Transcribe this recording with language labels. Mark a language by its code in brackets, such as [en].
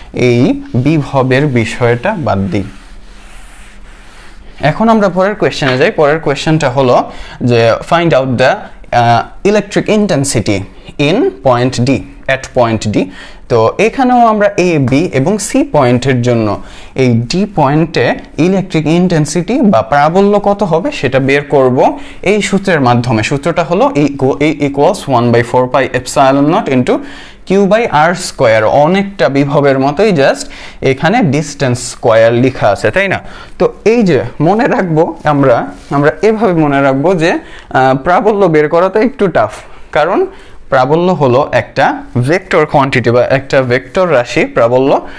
[bn] এই বিভবের বিষয়টা বাদ দিই এখন আমরা পরের কোয়েশ্চনে যাই পরের কোয়েশ্চনটা হলো যে [en] Find out the electric intensity in point D at point D. [bn] তো এখানেও আমরা A, B এবং C পয়েন্টের জন্য এই D পয়েন্টে ইলেকট্রিক ইন্টেন্সিটি বা প্রাবল্য কত হবে সেটা বের করব এই সূত্রের মাধ্যমে. সূত্রটা হলো [en] A equals 1 by 4 pi epsilon naught into Q by R square. [bn] অনেকটা বিভবের মতোই জাস্ট এখানে ডিস্টেন্স স্কোয়ার লিখা আছে, তাই না? তো এই যে মনে রাখবো আমরা এভাবে মনে রাখবো যে প্রাবল্য বের করাতে একটু টাফ, কারণ প্রাবল্য হলো একটা ভেক্টর কোয়ান্টিটি বা একটা ভেক্টর রাশি প্রাবল্য.